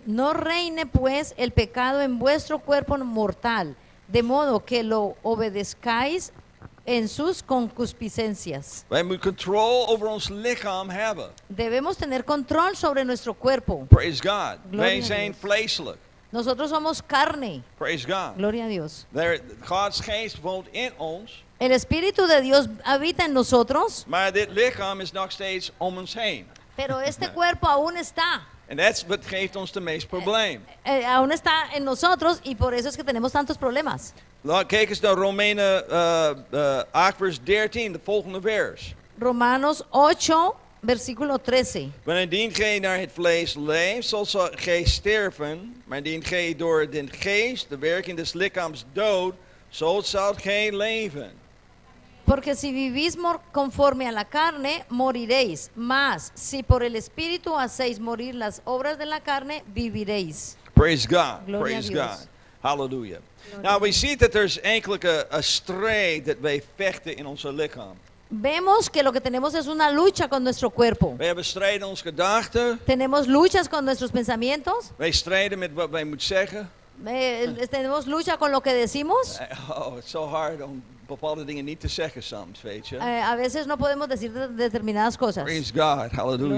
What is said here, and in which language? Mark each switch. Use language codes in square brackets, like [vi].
[es] No reine pues el pecado en vuestro cuerpo mortal, de modo que lo obedezcáis en sus concupiscencias. [nl] Wij moeten control over ons lichaam hebben. [es] Debemos tener control sobre nuestro cuerpo. [en] Praise God. [nl] Wij zijn vleeselijk. [es] Nosotros somos carne. [en] Praise God. [es] Gloria a Dios. [nl] God's geest woont in ons. [es] El espíritu de Dios habita en nosotros. [nl] Maar dit lichaam is nog steeds om ons heen. [es] Pero este cuerpo aún está. [en] And that's what [nl] geeft ons de meeste probleem. [es] Aún está en nosotros y por eso es que tenemos tantos problemas. [nl] Kijk eens naar Romeinen 8 vers 13, de volgende vers. Romanos 8, versículo 13. Wanneer gij naar het vlees leeft, zal gij sterven. Maar indien gij door den geest, de werking des lichaams dood, zo zal gij leven. [es] Porque si vivís conforme a la carne, moriréis. Mas si por el espíritu hacéis morir las obras de la carne, viviréis. [en] Praise God. Gloria praise God. Hallelujah. Now we see that there's enkele a strijd that [nl] wij vechten in onze lichaam. [es] Vemos que lo que tenemos es una lucha con nuestro cuerpo. [nl] Wij hebben strijd in onze gedachten. [es] Tenemos luchas con nuestros pensamientos. [nl] Wij strijden met wat wij moeten zeggen. [es] Tenemos lucha con lo que decimos. [en] Oh, it's so hard [nl] on bepaalde dingen niet te zeggen soms, weet je. [es] A veces no podemos decir determinadas cosas. [en] Praise God, hallelujah.